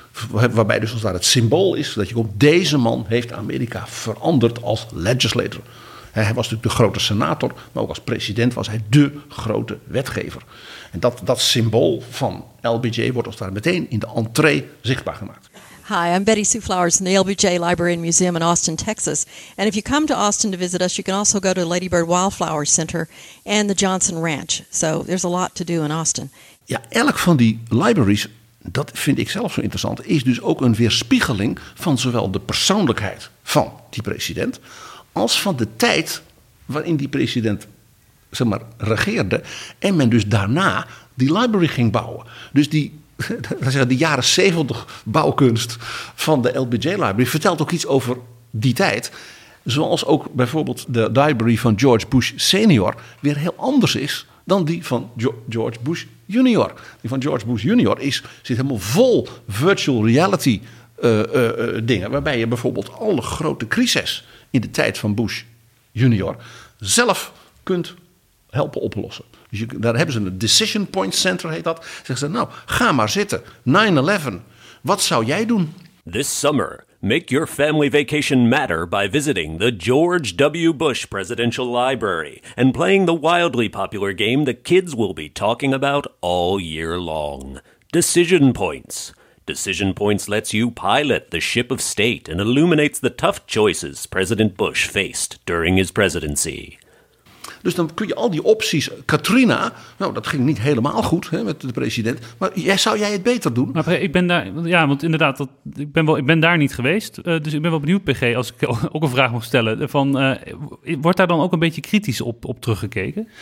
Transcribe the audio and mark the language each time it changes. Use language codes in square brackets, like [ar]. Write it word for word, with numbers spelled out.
[nl] Waarbij dus als daar het symbool is dat je komt, deze man heeft Amerika veranderd als legislator. Hij was natuurlijk de grote senator, maar ook als president was hij de grote wetgever. En dat, dat symbool van L B J wordt als daar meteen in de entree zichtbaar gemaakt. [en] Hi, I'm Betty Sue Flowers from the L B J Library and Museum in Austin, Texas. And if you come to Austin to visit us, you can also go to the Lady Bird Wildflower Center and the Johnson Ranch. So there's a lot to do in Austin. [nl] Ja, elk van die libraries, dat vind ik zelf zo interessant, is dus ook een weerspiegeling van zowel de persoonlijkheid van die president als van de tijd waarin die president, zeg maar, regeerde en men dus daarna die library ging bouwen. Dus die, de jaren zeventig bouwkunst van de L B J Library vertelt ook iets over die tijd. Zoals ook bijvoorbeeld de library van George Bush senior weer heel anders is dan die van George Bush junior. Die van George Bush junior is, zit helemaal vol virtual reality uh, uh, dingen. Waarbij je bijvoorbeeld alle grote crises in de tijd van Bush junior zelf kunt helpen oplossen. Dus je, daar hebben ze een Decision Point Center, heet dat. Zeggen ze, nou, ga maar zitten. nine eleven, wat zou jij doen? [en] This summer, make your family vacation matter by visiting the George W. Bush Presidential Library and playing the wildly popular game the kids will be talking about all year long, Decision Points. Decision Points lets you pilot the ship of state and illuminates the tough choices President Bush faced during his presidency. [nl] Dus dan kun je al die opties. Katrina, nou dat ging niet helemaal goed hè, met de president. Maar jij, zou jij het beter doen? Maar ik ben daar, ja, want inderdaad, dat, ik, ben wel, ik ben daar niet geweest. Uh, dus ik ben wel benieuwd, P G, als ik ook een vraag mag stellen. Van, uh, wordt daar dan ook een beetje kritisch op, op teruggekeken?